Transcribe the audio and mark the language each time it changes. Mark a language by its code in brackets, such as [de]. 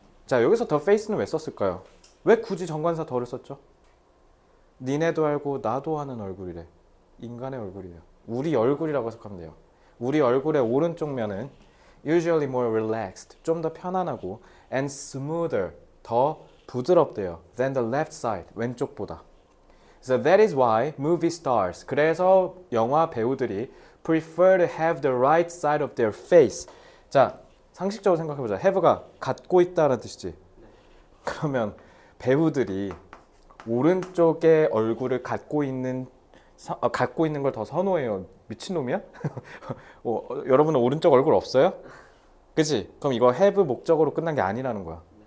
[ko] 자, 여기서 the face는 왜 썼을까요? 왜 굳이 정관사 더를 썼죠? 니네도 알고 나도 아는 얼굴이래. 인간의 얼굴이에요. 우리 얼굴이라고 해석하면 돼요. 우리 얼굴의 오른쪽 면은 [en] usually more relaxed, [ko] 좀더 편안하고 [en] and smoother, [ko] 더 부드럽대요. [en] than the left side, [ko] 왼쪽보다. [en] So that is why movie stars, [ko] 그래서 영화 배우들이 [en] prefer to have the right side of their face. [ko] 자, 상식적으로 생각해보자. have가 갖고 있다라는 뜻이지. 그러면 배우들이 오른쪽의 얼굴을 갖고 있는 걸더 선호해요. 미친놈이야? 여러분은 오른쪽 얼굴 없어요? 그치? 그럼 이거 have 목적으로 끝난 게 아니라는 거야.